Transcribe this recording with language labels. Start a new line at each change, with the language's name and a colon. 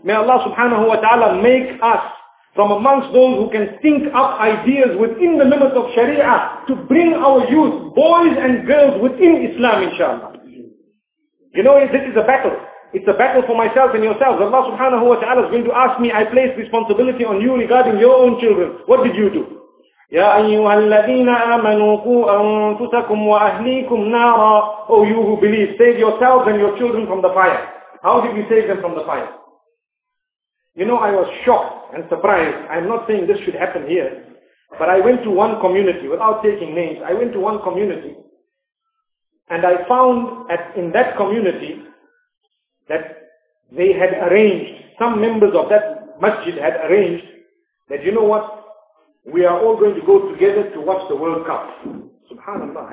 English: May Allah subhanahu wa ta'ala make us from amongst those who can think up ideas within the limits of sharia to bring our youth, boys and girls, within Islam, inshallah. You know, this is a battle. It's a battle for myself and yourselves. Allah subhanahu wa ta'ala is going to ask me, I place responsibility on you regarding your own children. What did you do?
Arabic: يا أيها الذين آمنوا قوا أنفسكم وأهليكم نارا.
English: Oh, you who believe, save yourselves and your children from the fire. How did you save them from the fire? You know, I was shocked and surprised. I'm not saying this should happen here. But I went to one community, without taking names, I went to one community. And I found that in that community, that they had arranged, some members of that masjid had arranged, that you know what, we are all going to go together to watch the World Cup. Subhanallah.